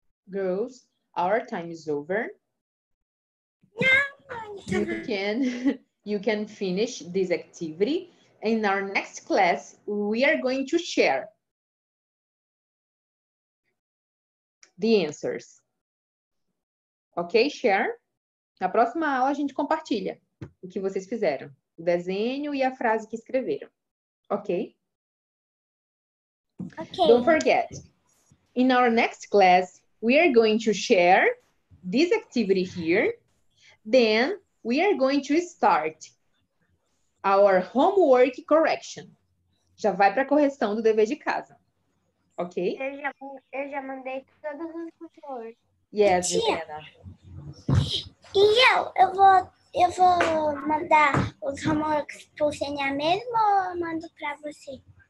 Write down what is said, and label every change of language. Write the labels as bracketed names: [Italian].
[English] Girls, our time is over. You can finish this activity. In our next class, we are going to share the answers. Ok, share? [Portuguese] Na próxima aula, a gente compartilha o que vocês fizeram. O desenho e a frase que escreveram. Ok? Ok. [English] Don't forget. In our next class, we are going to share this activity here. Then we are going to start our homework correction. [Portuguese] Já vai para a correção do dever de casa. Ok? Eu já mandei todos os tutores. [English] Yes, Juliana. [Portuguese] E eu vou mandar os homeworks para o CNA mesmo ou eu mando para você?